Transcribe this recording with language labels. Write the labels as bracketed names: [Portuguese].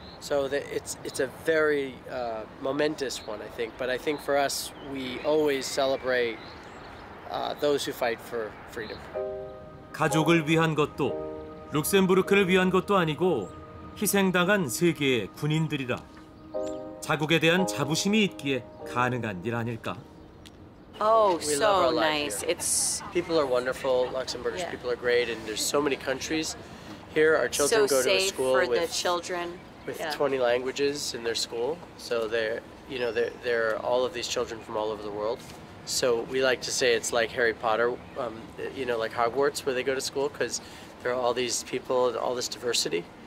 [English] So it's a very momentous one, I think. But I think for us, we always celebrate those who fight for freedom. [Korean] 가족을 위한 것도 룩셈부르크를 위한 것도 아니고 희생당한 세계의 군인들이라 자국에 대한 자부심이 있기에 가능한 일 아닐까? [English] Oh, so nice. It's people are wonderful. Luxembourgish people are great, and there's so many countries. Here, our children go to a school with 20 languages in their school. So there are all of these children from all over the world. So we like to say it's like Harry Potter, like Hogwarts, where they go to school, because there are all these people and all this diversity.